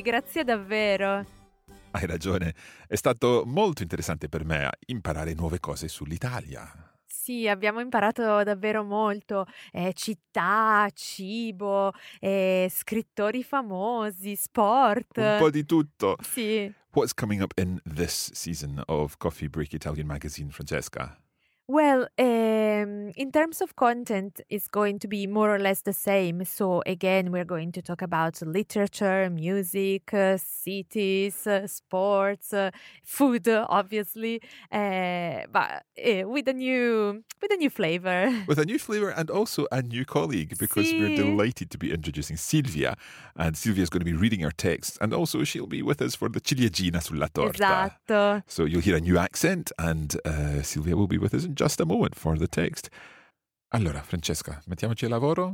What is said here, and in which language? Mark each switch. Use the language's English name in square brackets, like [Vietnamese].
[Italian] Grazie davvero. Hai ragione. È stato molto interessante per me imparare nuove cose sull'Italia. Sì, abbiamo imparato davvero molto, città, cibo, scrittori famosi, sport. Un po' di tutto. Sì. [English] What's coming up in this season of Coffee Break Italian Magazine, Francesca? Well, in terms of content, it's going to be more or less the same. So again, we're going to talk about literature, music, cities, sports, food, obviously, but with a new flavor. With a new flavor and also a new colleague, because [Italian] sì. [English] We're delighted to be introducing Silvia. And Silvia is going to be reading our text, and also she'll be with us for the [Italian] ciliegina sulla torta. Esatto. [English] So you'll hear a new accent, and Silvia will be with us in just a moment for the text. [Italian] Allora, Francesca, mettiamoci al lavoro?